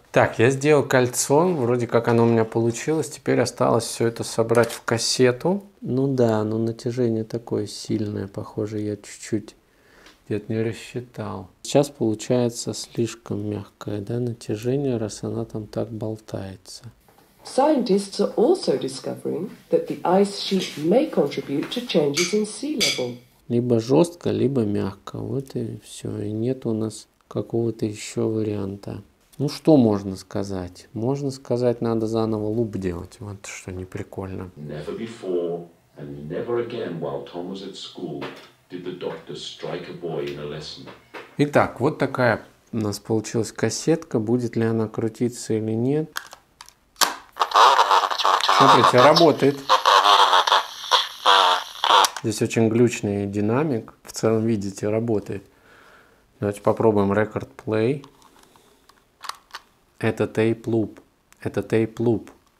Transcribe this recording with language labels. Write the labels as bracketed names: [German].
[Russian] Так, я сделал кольцо, вроде как оно у меня получилось, теперь осталось все это собрать в кассету. Ну да, но натяжение такое сильное, похоже, я чуть-чуть где-то не рассчитал. Сейчас получается слишком мягкое, да, натяжение, раз она там так болтается. [English] Scientists are also discovering that the ice sheet may contribute to changes in sea level. [Russian] Либо жестко, либо мягко. Вот и все. И нет у нас какого-то еще варианта. Ну что можно сказать? Можно сказать, надо заново луп делать. Вот что не прикольно. [English] Never before and never again while Tom was at school did the doctor strike a boy in a lesson. [Russian] Итак, вот такая у нас получилась кассетка. Будет ли она крутиться или нет? Смотрите, работает. Здесь очень глючный динамик. В целом, видите, работает. Давайте попробуем record play. Это tape loop. Это tape loop.